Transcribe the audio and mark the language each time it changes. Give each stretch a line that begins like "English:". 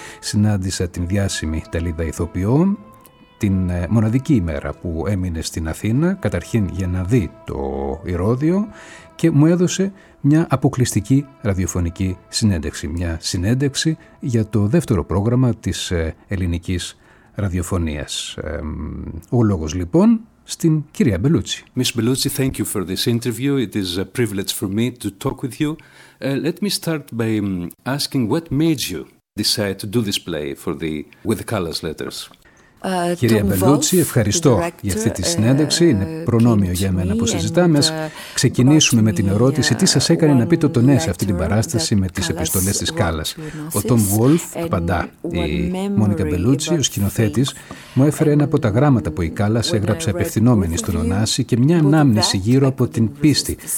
Greek: Συνάντησα την διάσημη Ιταλίδα ηθοποιό την μοναδική ημέρα που έμεινε στην Αθήνα, καταρχήν για να δει το Ηρώδιο, και μου έδωσε μια αποκλειστική ραδιοφωνική συνέντευξη. Μια συνέντευξη για το δεύτερο πρόγραμμα της ελληνικής ραδιοφωνίας. Ο λόγος λοιπόν στην κυρία Μπελούτσι.
English: Miss Bellucci, thank you for this interview. It is a privilege for me to talk with you. Let me start by asking what made you decide to do this play for the With the Colors Letters.
Greek: Κυρία Μπελούτσι, ευχαριστώ για αυτή τη συνέντευξη. Είναι προνόμιο για μένα που συζητάμε. Ας ξεκινήσουμε με την ερώτηση: τι σας έκανε να πείτε το ναι σε αυτή την παράσταση με τις επιστολές της Κάλλας? Ο Τόμ Βολφ, απαντά η Μόνικα Μπελούτσι, ο σκηνοθέτης, μου έφερε ένα από τα γράμματα που η Κάλλας έγραψε απευθυνόμενη στον Ωνάση και μια ανάμνηση γύρω από την πίστη.